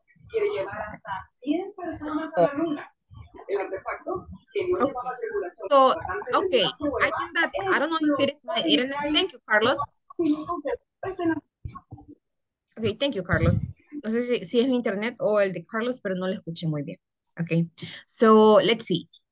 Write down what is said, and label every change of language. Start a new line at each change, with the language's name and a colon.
Spanish: Quiere llevar hasta 100 personas a la luna. El artefacto que no llevaba tripulación. Okay.
English: I think that, I don't know if it is my internet. Thank you, Carlos. Okay, thank you, Carlos.
Spanish: No sé si es mi internet o el de Carlos, pero no lo escuché muy bien. Okay.
English: So, let's see.